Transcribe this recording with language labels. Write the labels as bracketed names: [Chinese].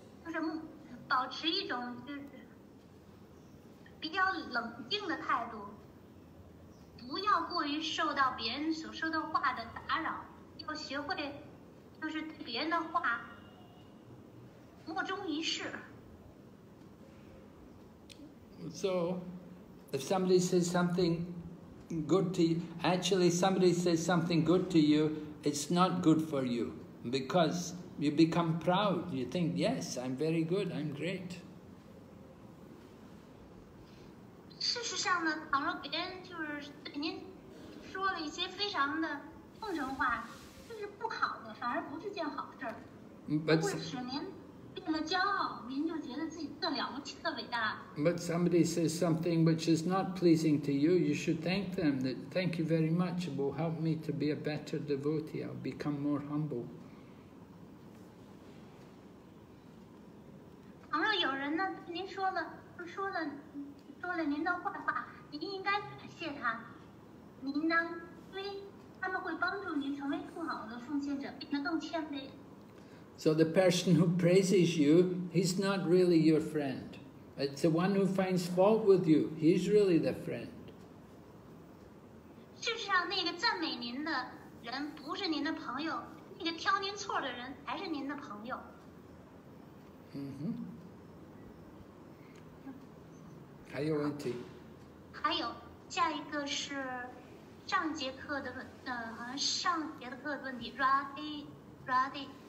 [English] So, if somebody says something good to you, actually somebody says something good to you, it's not good for you, because you become proud. You think, yes, I'm very good, I'm great. [Chinese] 事实上呢，倘若别人就是对您说了一些非常的奉承话，就是不好的，反而不是件好事儿， [English] But [Chinese] 会使您变得骄傲，您就觉得自己特了不起、特伟大。 [English] Somebody says something which is not pleasing to you, you should thank them. That thank you very much. It will help me to be a better devotee. I'll become more humble. [Chinese] 倘若有人呢，您说了，说了您的坏话，您应该感谢他。您呢，因为他们会帮助您成为更好的奉献者，变得更谦卑。 So the person who praises you, he's not really your friend. It's the one who finds fault with you. He's really the friend. 事实上，那个赞美您的人不是您的朋友，那个挑您错的人才是您的朋友。嗯哼。还有问题？还有，下一个是上节课的问，好像上节课的问题 ，Rady。